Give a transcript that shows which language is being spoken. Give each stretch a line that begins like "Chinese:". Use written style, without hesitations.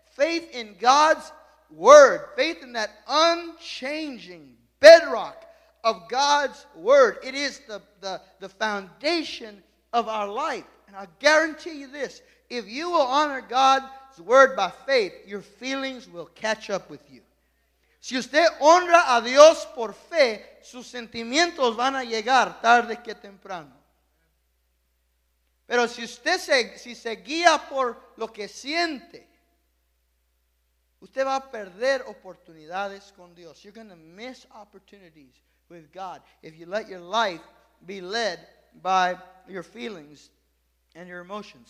English: Faith in God's word. Faith in that unchanging bedrock of God's word. It is the foundation of our life. And I guarantee you this. If you will honor God's word by faith, your feelings will catch up with you.
Spanish: Si usted honra a Dios por fe, sus sentimientos van a llegar tarde que temprano. Pero si usted se guía por lo que siente, usted va a perder oportunidades con Dios.
English: You're going to miss opportunities with God if you let your life be led by your feelings and your emotions.